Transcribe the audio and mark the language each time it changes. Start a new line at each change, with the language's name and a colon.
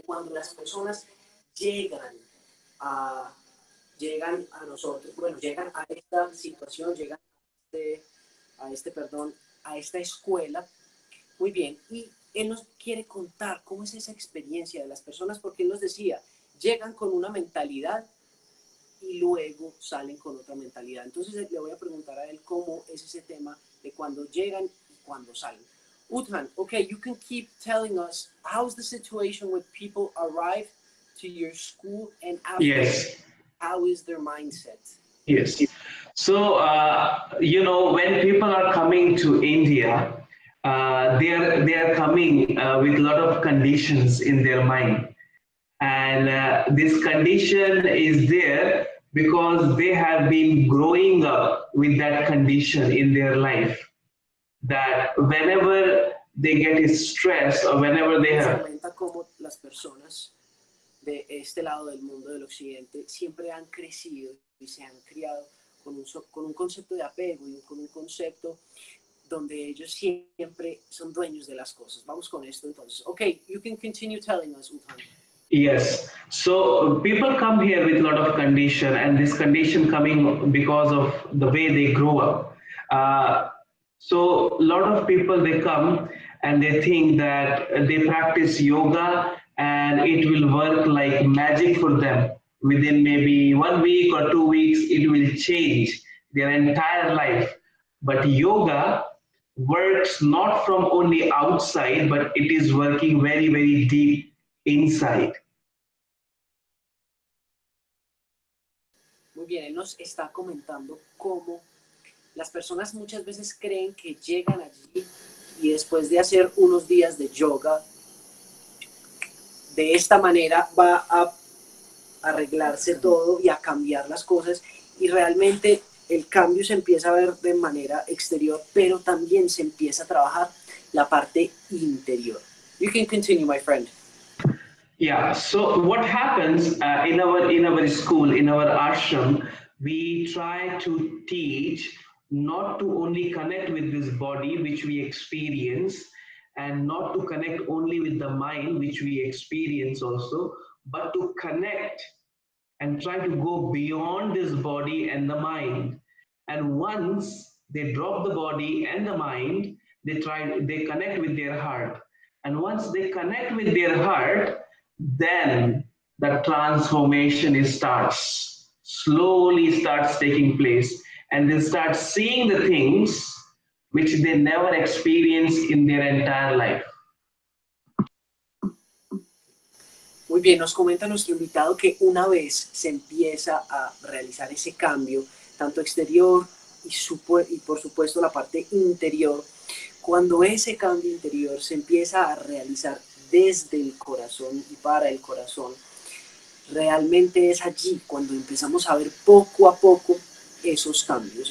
Spanish: Cuando las personas llegan a nosotros, bueno, llegan a esta situación, llegan a esta escuela. Muy bien, y él nos quiere contar cómo es esa experiencia de las personas, porque él nos decía, llegan con una mentalidad y luego salen con otra mentalidad. Entonces le voy a preguntar a él cómo es ese tema de cuando llegan y cuando salen.
English: Uttam, okay, you can keep telling us how's the situation when people arrive to your school and after, yes. How is their mindset? Yes. So, you know, when people are coming to India, they are coming with a lot of conditions in their mind, and this condition is there because they have been growing up with that condition in their life, that whenever they get stressed or whenever they have,
Spanish: como las personas de este lado del mundo del occidente siempre han crecido y se han criado con un concepto de apego y con un concepto donde ellos siempre son dueños de las cosas. Vamos con esto entonces.
English: Okay, you can continue telling us, Uttam. Yes. So people come here with a lot of condition, and this condition coming because of the way they grow up. So a lot of people, they come and they think that they practice yoga and it will work like magic for them. Within maybe 1 week or 2 weeks, it will change their entire life. But yoga works not from only outside, but it is working very, very deep inside.
Spanish: Muy bien, él nos está comentando cómo las personas muchas veces creen que llegan allí y después de hacer unos días de yoga, de esta manera va a arreglarse todo y a cambiar las cosas, y realmente el cambio se empieza a ver de manera exterior, pero también se empieza a trabajar la parte interior.
English: You can continue, my friend. Yeah, so what happens in our school, in our ashram, we try to teach not to only connect with this body, which we experience, and not to connect only with the mind, which we experience also, but to connect and try to go beyond this body and the mind. And once they drop the body and the mind, they connect with their heart. And once they connect with their heart, then the transformation starts, slowly starts taking place. And they start seeing the things which they never experienced in their entire life.
Spanish: Muy bien, nos comenta nuestro invitado que una vez se empieza a realizar ese cambio, tanto exterior y por supuesto la parte interior, cuando ese cambio interior se empieza a realizar desde el corazón y para el corazón, realmente es allí cuando empezamos a ver poco a poco esos cambios.